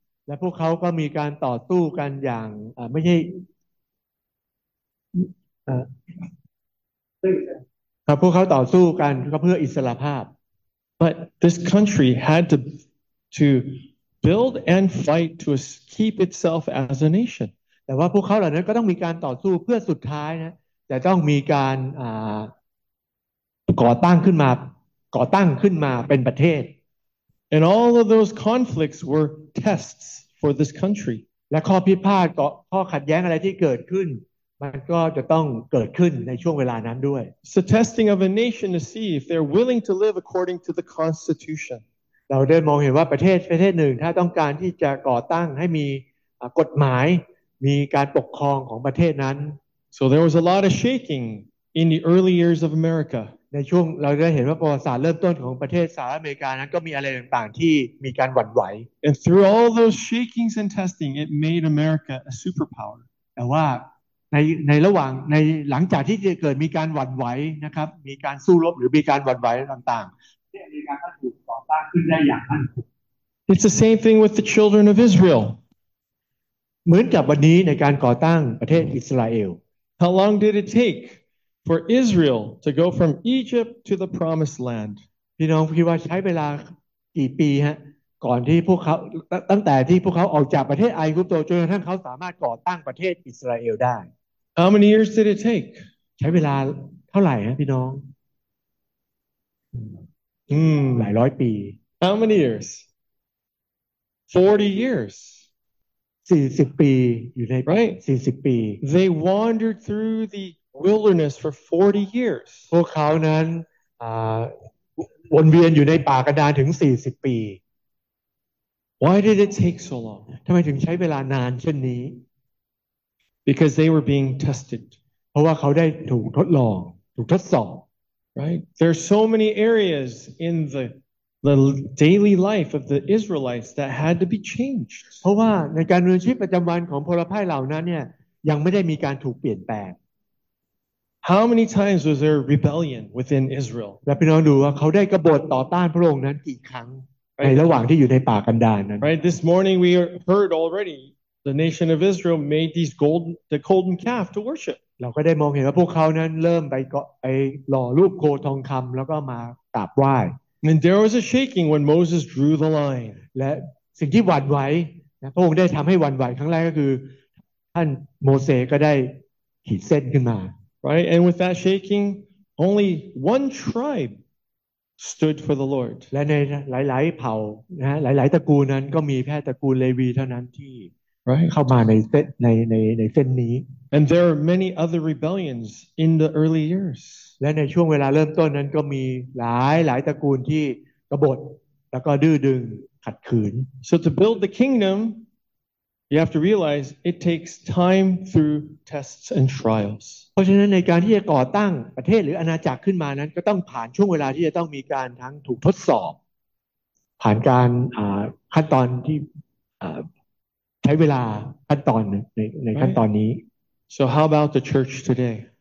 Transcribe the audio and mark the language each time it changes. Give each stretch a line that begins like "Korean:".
Thai: และพวกเขาก็มีการต่อสู้กันอย่างไม่ใช่ครับพวกเขาต่อสู้กันก็เพื่ออิสรภาพ
English: But this country had to build and fight to keep itself as a nation.
Thai: แต่ว่าพวกเขาเหล่านั้นก็ต้องมีการต่อสู้เพื่อสุดท้ายนะจะต้องมีการก่อตั้งขึ้นมาเป็นประเทศ
English: And all of those conflicts were tests for this country.
Thai: และข้อพิพาทข้อขัดแย้งอะไรที่เกิดขึ้นมันก็จะต้องเกิดขึ้นในช่วงเวลานั้นด้วย
English: So testing of a nation to see if they're willing to live according to the constitution
Thai: เราได้มองเห็นว่าประเทศหนึ่งถ้าต้องการที่จะก่อตั้งให้มีกฎหมายมีการปกครองของประเทศนั้น
English: So there was a lot of shaking in the early years of America
Thai: ในช่วงเราได้เห็นว่าประวัติศาสตร์เริ่มต้นของประเทศสหรัฐอเมริกานั้นก็มีอะไรต่างๆที่มีการหวั่นไหว
English: And through all those shakings and testing it made America a superpower
Thai: แต่ว่าในระหว่างในหลังจากที่เกิดมีการหวั่นไหวนะครับมีการสู้รบหรือมีการหวั่นไหวต่างๆที่อเมริกาก็ถูกก่อตั้งขึ้นได้อย่างนั้น
English: It's the same thing with the children of Israel
Thai: เหมือนกับวันนี้ในการก่อตั้งประเทศอิสราเอล
English: How long did it take for Israel to go from Egypt to the promised land
Thai: พี่น้องคิดว่าใช้เวลากี่ปีฮะ ก่อนที่พวกเขาตั้งแต่ที่พวกเขาออกจากประเทศไอยุปโตจนกระทั่งเขาสามารถก่อตั้งประเทศอิสราเอลได้
English: How many years did it take
Thai: ใช้เวลาเท่าไหร่ฮะพี่น้องหลายร้อยปี
English: How many years 40 years
Thai: 40ปีอยู่ใน
English: right
Thai: 40ปี
English: They wandered through the wilderness for 40 years
Thai: พวกเขานั้นวนเวียนอยู่ในป่ากระดานถึง40ปี
English: Why did it take so long
Thai: ทำไมถึงใช้เวลานานเช่นนี้
English: Because they were being tested
Thai: เพราะว่าเขาได้ถูกทดลองถูกทดสอบ
English: right there are so many areas in the daily life of the Israelites that had to be changed
Thai: เพราะว่าในการดำเนินชีวิตประจำวันของพลพ่ายเหล่านั้นเนี่ยยังไม่ได้มีการถูกเปลี่ยนแปลง
English: How many times was there rebellion within Israel
Thai: แล้วพี่น้องดูว่าเขาได้กบฏต่อต้านพระองค์นั้นกี่ครั้งในระหว่างที่อยู่ในป่ากันดารนั้น
English: Right this morning we heard already the nation of Israel made these golden the golden calf to worship
Thai: เราก็ได้มองเห็นว่าพวกเขานั้นเริ่มไปเกาะไปหล่อรูปโคทองคำแล้วก็มากราบไหว้
English: And there was a shaking when Moses drew the line.
Thai: และสิ่งที่หวั่นไหวนะพระองค์ได้ทำให้หวั่นไหวครั้งแรกก็คือท่านโมเสสก็ได้ขีดเส้นขึ้นมา
English: Right, and with that shaking, only one tribe stood for the Lord.
Thai: และในหลายๆเผ่านะหลายๆตระกูลนั้นก็มีแค่ตระกูลเลวีเท่านั้นที่
English: Right,
Thai: เข้ามาในเส้นนี้
English: And there are many other rebellions in the early years.
Thai: และในช่วงเวลาเริ่มต้นนั้นก็มีหลายตระกูลที่กบฏแล้วก็ดื้อดึงขัดขืน
English: So to build the kingdom, you have to realize it takes time through tests and trials.
Thai: เพราะฉะนั้นในการที่จะก่อตั้งประเทศหรืออาณาจักรขึ้นมานั้นก็ต้องผ่านช่วงเวลาที่จะต้องมีการทั้งถูกทดสอบผ่านการขั้นตอนที่ใช้เวลาขั้นตอนในขั้นตอนนี้
English: So how about the church today?